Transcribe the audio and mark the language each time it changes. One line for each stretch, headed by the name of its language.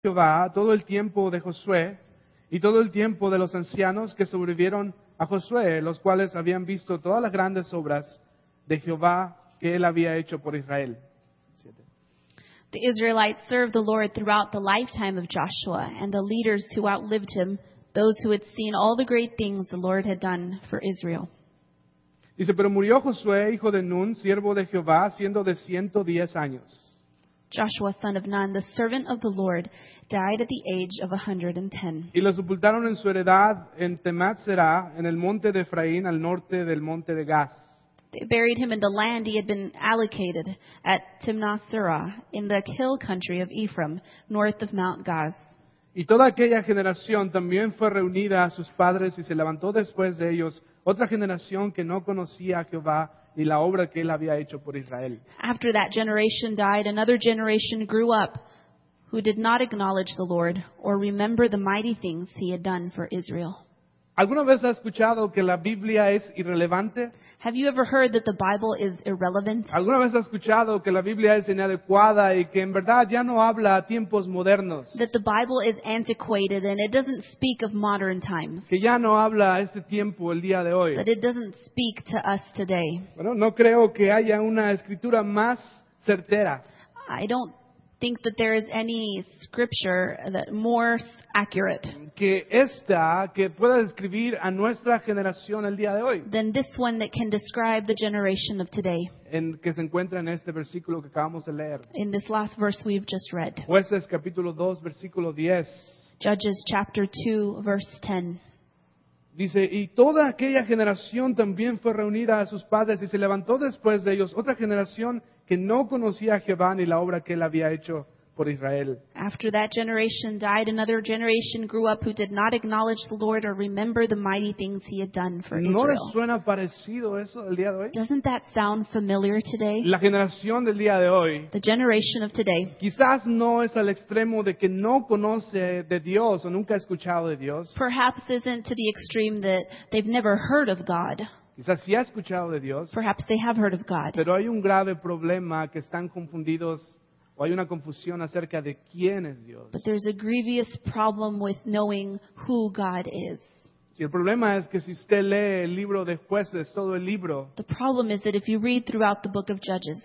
Spanish: Jehová todo el tiempo de Josué y todo el tiempo de los ancianos que sobrevivieron a Josué, los cuales habían visto todas las grandes obras de Jehová que él había hecho por Israel.
English: The Israelites served the Lord throughout the lifetime of Joshua, and the leaders who outlived him, those who had seen all the great things the Lord had done for Israel.
Spanish: Dice, pero murió Josué, hijo de Nun, siervo de Jehová, siendo de 110 años.
English: Joshua, son of Nun, the servant of the Lord, died at the age of 110.
Spanish: Y lo sepultaron en su heredad en Temat-Serah, en el monte de Efraín, al norte del monte de Gaz.
English: They buried him in the land he had been allocated at Timnath-Serah, in the hill country of Ephraim, north of Mount Gaz.
Spanish: Y toda aquella generación también fue reunida a sus padres y se levantó después de ellos otra generación que no conocía a Jehová ni la obra que él había hecho por Israel.
English: After that generation died, another generation grew up who did not acknowledge the Lord or remember the mighty things he had done for Israel.
Spanish: ¿Alguna vez has escuchado que la Biblia es irrelevante?
English: Have you ever heard that the Bible is irrelevant?
Spanish: ¿Alguna vez has escuchado que la Biblia es inadecuada y que en verdad ya no habla a tiempos modernos?
English: That the Bible is antiquated and it doesn't speak of modern times.
Spanish: Que ya no habla a este tiempo el día de hoy.
English: That it doesn't speak to us today.
Spanish: Bueno, no creo que haya una escritura más certera.
English: I don't think that there is any scripture that more accurate
Spanish: que esta, que pueda describir a nuestra generación el día de hoy,
English: than this one that can describe the generation of today.
Spanish: En que se encuentra en este versículo que acabamos de leer.
English: In this last verse we've just read.
Spanish: Jueces capítulo 2 versículo 10.
English: Judges chapter 2 verse 10.
Spanish: Dice, y toda aquella generación también fue reunida a sus padres y se levantó después de ellos otra generación que no conocía a Jehová ni la obra que él había hecho por Israel.
English: After that generation died, another generation grew up who did not acknowledge the Lord or remember the mighty things he had done for Israel.
Spanish: ¿No les suena parecido eso del día de hoy?
English: Doesn't that sound familiar today?
Spanish: La generación del día de hoy.
English: The generation of today.
Spanish: Quizás no es al extremo de que no conoce de Dios o nunca ha escuchado de Dios.
English: Perhaps isn't to the extreme that they've never heard of God.
Spanish: Quizás sí ha escuchado de Dios.
English: Perhaps they have heard of God.
Spanish: Pero hay un grave problema que están confundidos. O hay una confusión acerca de quién es Dios.
English: But there's a grievous problem with knowing who God is.
Spanish: Y el problema es que si usted lee el libro de Jueces, todo el libro.
English: The problem is that if you read throughout the book of Judges.